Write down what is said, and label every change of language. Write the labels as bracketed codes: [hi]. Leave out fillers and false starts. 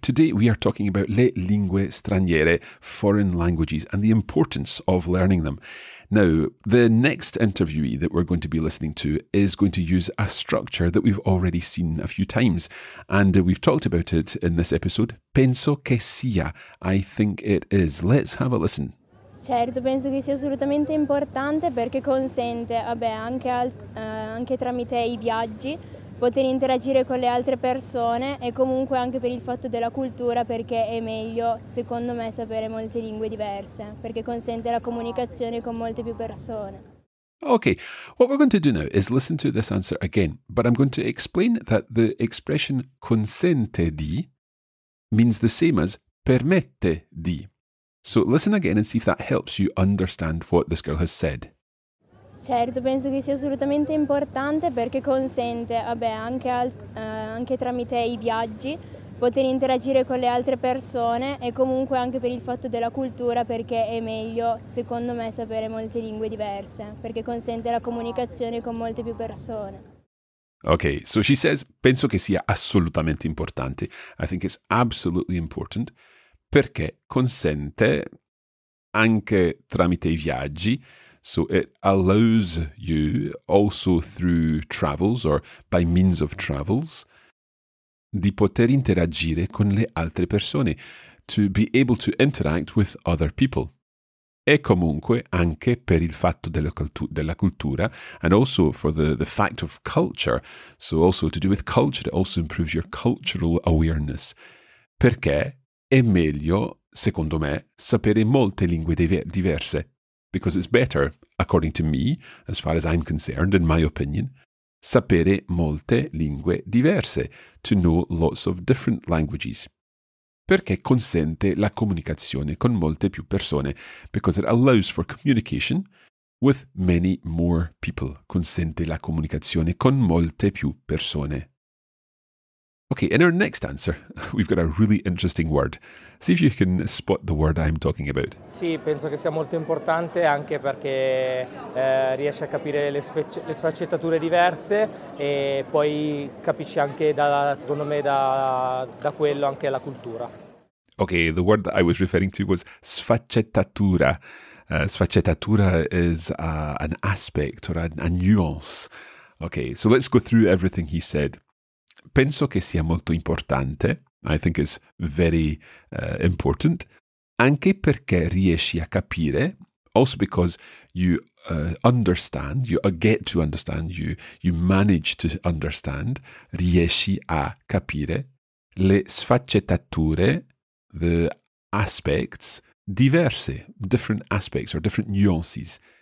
[en] Today we are talking about [it] le lingue straniere, [en] foreign languages, and the importance of learning them. Now, the next interviewee that we're going to be listening to is going to use a structure that we've already seen a few times, and we've talked about it in this episode. [it] Penso che sia. [en] I think it is. Let's have a listen. [it] Certo, penso che sia assolutamente importante perché consente, vabbè, anche tramite i viaggi, poter interagire con le altre persone e comunque anche per il fatto della cultura, perché è meglio, secondo me, sapere molte lingue diverse, perché consente la comunicazione con molte più persone. [en] Okay, what we're going to do now is listen to this answer again, but I'm going to explain that the expression consente di means the same as permette di. So listen again and see if that helps you understand what this girl has said. [it] Certo, penso che sia assolutamente importante perché consente, vabbè, anche tramite I viaggi, poter interagire con le altre persone e comunque anche per il fatto della cultura, perché è meglio, secondo me, sapere molte lingue diverse, perché consente la comunicazione con molte più persone. [en] Okay, so she says, [it] penso che sia assolutamente importante. [en] I think it's absolutely important. [it] Perché consente anche tramite I viaggi. [en] So it allows you also through travels or by means of travels [it] di poter interagire con le altre persone, [en] to be able to interact with other people. [it] E comunque anche per il fatto della cultura, [en] and also for the fact of culture, so also to do with culture, it also improves your cultural awareness. [it] Perché è meglio, secondo me, sapere molte lingue diverse. [en] Because it's better, according to me, as far as I'm concerned, in my opinion, [it] sapere molte lingue diverse, [en] to know lots of different languages. [it] Perché consente la comunicazione con molte più persone. [en] Because it allows for communication with many more people. [it] Consente la comunicazione con molte più persone. [en] Okay, in our next answer, we've got a really interesting word. See if you can spot the word I'm talking about. [it] Sì, penso che sia molto importante anche perché riesce a capire le sfaccettature diverse e poi capisce anche, secondo me, da quello anche la cultura. [en] Okay, the word that I was referring to was sfaccettatura. Sfaccettatura is an aspect or a nuance. Okay, so let's go through everything he said. [it] Penso che sia molto importante, [en] I think it's very important, [it] anche perché riesci a capire, [en] also because you understand, you get to understand, you manage to understand, [it] riesci a capire le sfaccettature, [en] the aspects, diverse, different aspects or different nuances,